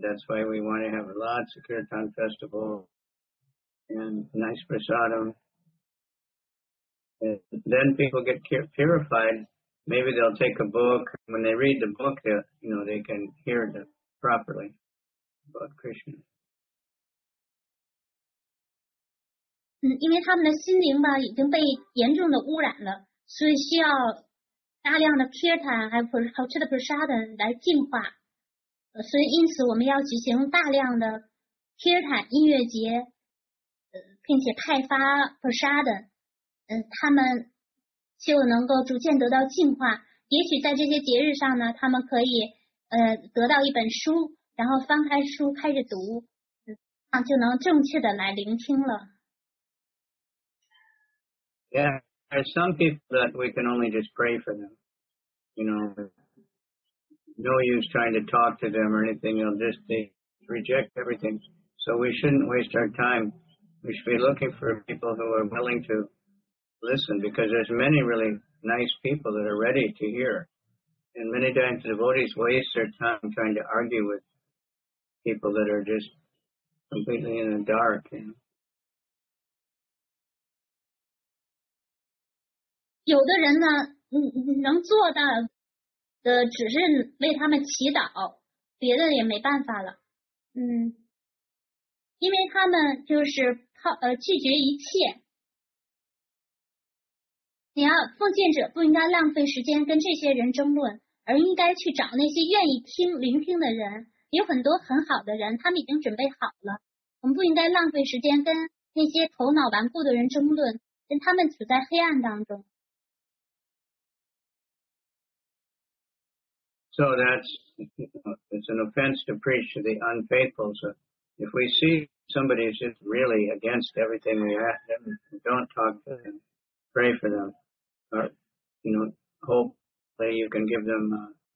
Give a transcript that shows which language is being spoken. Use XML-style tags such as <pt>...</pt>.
<en>That's why we want to have lots of kirtan festival and nice prasadam. And then people get purified. Maybe they'll take a book. When they read the book, they can hear it properly about Krishna.</en> <zh>因为他们的心灵吧已经被严重的污染了，所以需要大量的 kirtan 还有好吃的 prasadam 来净化。所以因此我们要举行大量的 kirtan 音乐节，并且派发 prasadam， 他们就能够逐渐得到净化。也许在这些节日上呢，他们可以得到一本书，然后翻开书开始读，就能正确的来聆听了。</zh> <en>Yeah, there's some people that we can only just pray for them. You know, no use trying to talk to them or anything. They reject everything. So we shouldn't waste our time. We should be looking for people who are willing to. Listen, because there's many really nice people that are ready to hear. And many times the devotees waste their time trying to argue with people that are just completely in the dark. You know?</en> <zh>有的人呢能做到的只是为他们祈祷，别的也没办法了。因为他们就是拒绝一切。你要奉献者不应该浪费时间跟这些人争论，而应该去找那些愿意听聆听的人。有很多很好的人，他们已经准备好了。我们不应该浪费时间跟那些头脑顽固的人争论，跟他们处在黑暗当中。</zh> <en>So it's an offense to preach to the unfaithful. So if we see somebody is just really against everything we ask them, don't talk to them, pray for them. Hopefully you can give them</en>